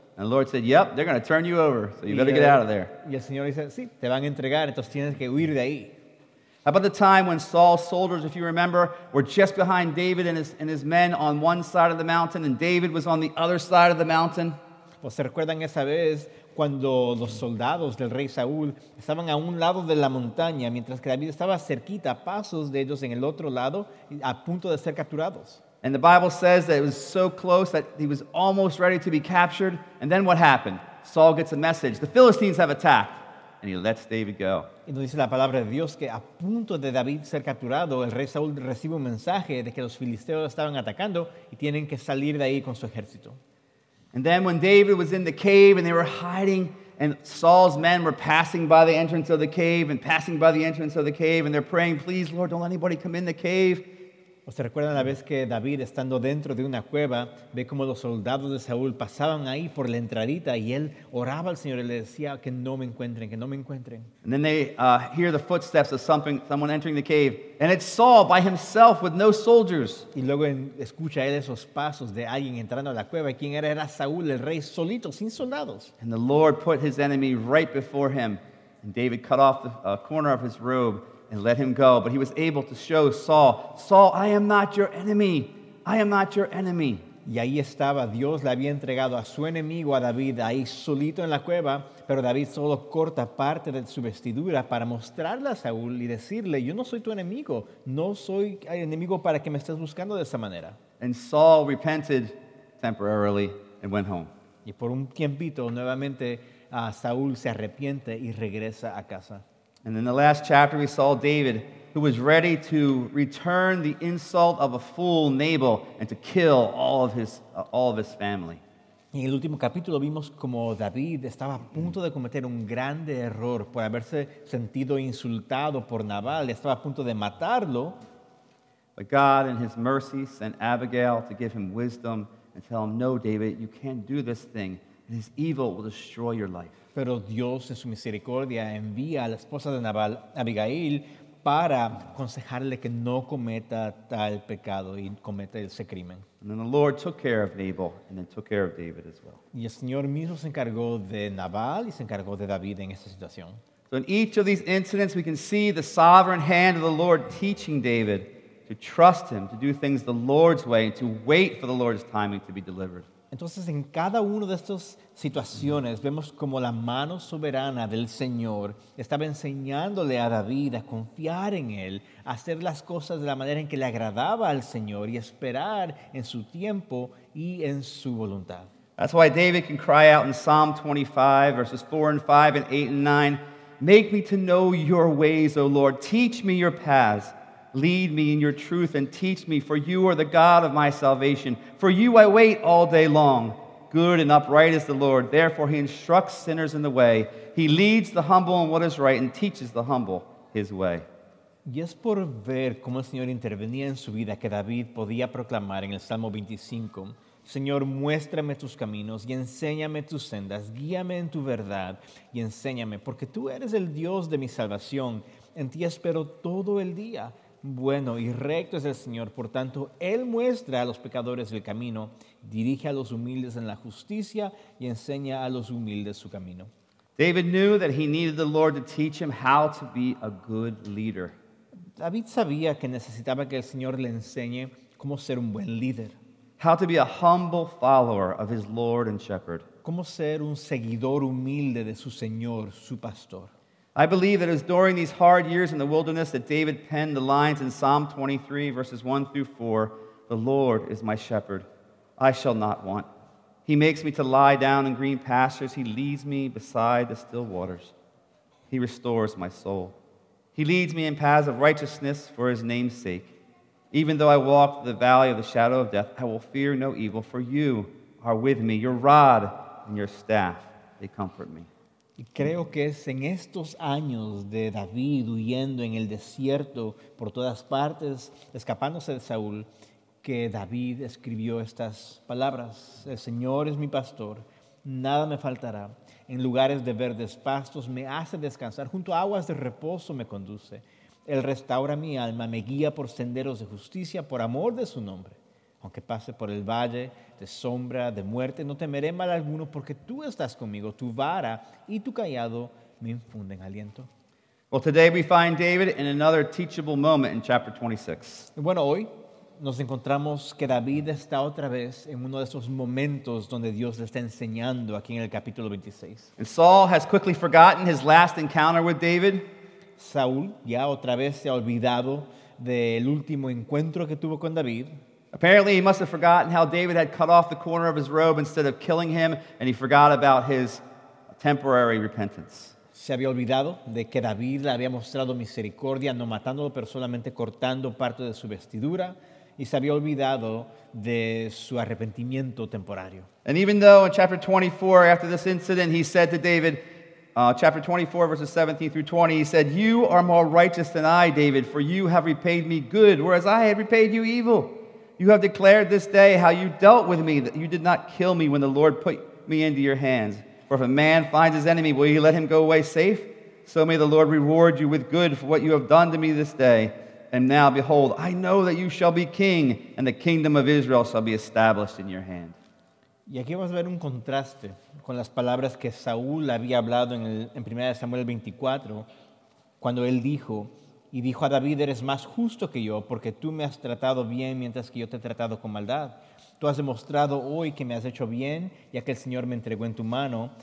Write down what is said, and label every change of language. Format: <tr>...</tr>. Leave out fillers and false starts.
<en>And the Lord said, "Yep, they're going to turn you over, so you better get out of there."</en> <es>Y el Señor dice, "Sí, te van a entregar, entonces tienes que huir de ahí."</es> <en>How about the time when Saul's soldiers, if you remember, were just behind David and his men on one side of the mountain, and David was on the other side of the mountain?</en> <es>¿Pues se recuerdan esa vez cuando los soldados del rey Saúl estaban a un lado de la montaña, mientras que David estaba cerquita, a pasos de ellos en el otro lado, a punto de ser capturados?</es> <en>And the Bible says that it was so close that he was almost ready to be captured. And then what happened? Saul gets a message. The Philistines have attacked. And he lets David go.</en> <es>Y nos dice la palabra de Dios que a punto de David ser capturado, el rey Saúl recibe un mensaje de que los filisteos estaban atacando y tienen que salir de ahí con su ejército.</es> <en>And then when David was in the cave and they were hiding and Saul's men were passing by the entrance of the cave and passing by the entrance of the cave and they're praying, "Please, Lord, don't let anybody come in the cave."</en> <es>¿O se recuerdan la vez que David, estando dentro de una cueva, ve cómo los soldados de Saúl pasaban ahí por la entradita y él oraba al Señor y le decía, "Que no me encuentren, que no me encuentren"?</es> <en>And then they hear the footsteps of someone entering the cave. And it's Saul by himself with no soldiers.</en> <es>Y luego escucha él esos pasos de alguien entrando a la cueva. ¿Quién era? Era Saúl, el rey, solito, sin soldados.</es> <en>And the Lord put his enemy right before him. And David cut off the corner of his robe and let him go, but he was able to show Saul, "Saul, I am not your enemy. I am not your enemy."</en> <es>Y ahí estaba, Dios le había entregado a su enemigo, a David, ahí solito en la cueva, pero David solo corta parte de su vestidura para mostrarla a Saúl y decirle, "Yo no soy tu enemigo. No soy enemigo para que me estés buscando de esa manera."</es> <en>And Saul repented temporarily and went home.</en> <es>Y por un tiempito, nuevamente, Saúl se arrepiente y regresa a casa.</es> <en>And in the last chapter, we saw David, who was ready to return the insult of a fool Nabal and to kill all of his family.</en> <es>En el último capítulo vimos como David estaba a punto de cometer un grande error por haberse sentido insultado por Nabal. Estaba a punto de matarlo.</es> <en>But God in his mercy sent Abigail to give him wisdom and tell him, no, David, you can't do this thing. This evil will destroy your life.</en> <es>Pero Dios en su misericordia envía a la esposa de Nabal, Abigail, para aconsejarle que no cometa tal pecado y cometa ese crimen.</es> <en>And then the Lord took care of Nabal and then took care of David as well.</en> <es>Y el Señor mismo se encargó de Nabal y se encargó de David en esta situación.</es> <en>So in each of these incidents we can see the sovereign hand of the Lord teaching David to trust him, to do things the Lord's way, and to wait for the Lord's timing to be delivered.</en> <es>Entonces en cada una de estas situaciones vemos como la mano soberana del Señor estaba enseñándole a David a confiar en Él, a hacer las cosas de la manera en que le agradaba al Señor y esperar en su tiempo y en su voluntad.</es> <en>That's why David can cry out in Psalm 25, verses 4 and 5 and 8 and 9, make me to know your ways, O Lord, teach me your paths. Lead me in your truth and teach me, for you are the God of my salvation. For you I wait all day long. Good and upright is the Lord. Therefore he instructs sinners in the way. He leads the humble in what is right and teaches the humble his way.</en> <es>Y es por ver cómo el Señor intervenía en su vida que David podía proclamar en el Salmo 25, Señor, muéstrame tus caminos y enséñame tus sendas. Guíame en tu verdad y enséñame, porque tú eres el Dios de mi salvación. En ti espero todo el día. Bueno y recto es el Señor, por tanto, Él muestra a los pecadores el camino, dirige a los humildes en la justicia y enseña a los humildes su camino.</es> <en>David knew that he needed the Lord to teach him how to be a good leader.</en> <es>David sabía que necesitaba que el Señor le enseñe cómo ser un buen líder.</es> <en>How to be a humble follower of his Lord and Shepherd.</en> <es>Cómo ser un seguidor humilde de su Señor, su pastor.</es> <en>I believe that it was during these hard years in the wilderness that David penned the lines in Psalm 23, verses 1 through 4, the Lord is my shepherd, I shall not want. He makes me to lie down in green pastures. He leads me beside the still waters. He restores my soul. He leads me in paths of righteousness for his name's sake. Even though I walk through the valley of the shadow of death, I will fear no evil, for you are with me. Your rod and your staff, they comfort me.</en> <es>Y creo que es en estos años de David huyendo en el desierto por todas partes, escapándose de Saúl, que David escribió estas palabras. El Señor es mi pastor, nada me faltará. En lugares de verdes pastos me hace descansar, junto a aguas de reposo me conduce. Él restaura mi alma, me guía por senderos de justicia, por amor de su nombre. Aunque pase por el valle de sombra, de muerte, no temeré mal alguno porque tú estás conmigo, tu vara y tu callado me infunden aliento.</es> <en>Well, today we find David in another teachable moment in chapter 26.</en> <es>Bueno, hoy nos encontramos que David está otra vez en uno de esos momentos donde Dios le está enseñando aquí en el capítulo 26.</es> <en>And Saul has quickly forgotten his last encounter with David.</en> <es>Saúl ya otra vez se ha olvidado del último encuentro que tuvo con David.</es> <en>Apparently, he must have forgotten how David had cut off the corner of his robe instead of killing him, and he forgot about his temporary repentance.</en> <es>Se había olvidado de que David le había mostrado misericordia, no matándolo, pero solamente cortando parte de su vestidura, y se había olvidado de su arrepentimiento temporario.</es> <en>And even though in chapter 24, after this incident, he said to David, chapter 24, verses 17 through 20, he said, "You are more righteous than I, David, for you have repaid me good, whereas I had repaid you evil. You have declared this day how you dealt with me, that you did not kill me when the Lord put me into your hands. For if a man finds his enemy, will you let him go away safe? So may the Lord reward you with good for what you have done to me this day. And now, behold, I know that you shall be king, and the kingdom of Israel shall be established in your hand."</en> <es>Y aquí vamos a ver un contraste con las palabras que Saúl había hablado en 1 Samuel 24, cuando él dijo, y dijo a David, eres más justo que yo, porque tú me has tratado bien mientras que yo te he tratado con maldad. Tú has demostrado hoy que me has hecho bien, ya que el Señor me entregó en tu mano.</es>